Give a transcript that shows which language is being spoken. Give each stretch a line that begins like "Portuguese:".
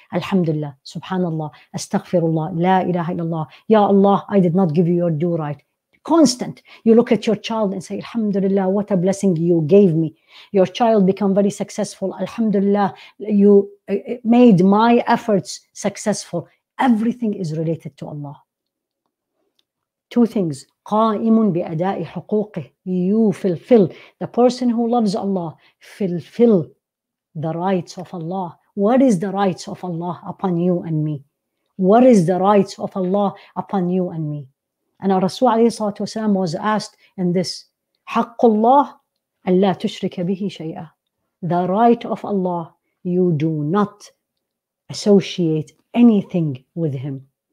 English: Alhamdulillah, subhanallah, astaghfirullah, la ilaha illallah, ya Allah, I did not give you your due right. Constant. You look at your child and say, alhamdulillah, what a blessing you gave me. Your child become very successful. Alhamdulillah, you made my efforts successful. Everything is related to Allah. Two things.
Arabic: قَائِمٌ بِأَدَاءِ حُقُوقِهِ,
English: you fulfill. The person who loves Allah, fulfill the rights of Allah. What is the rights of Allah upon you and me? What is the rights of Allah upon you and me? And our Rasul
Arabic: عليه الصلاة والسلام
English: was asked in this,
Arabic: حَقُّ اللَّهِ أَن لَا تُشْرِكَ بِهِ شَيْئًا,
English: the right of Allah, you do not associate anything with him.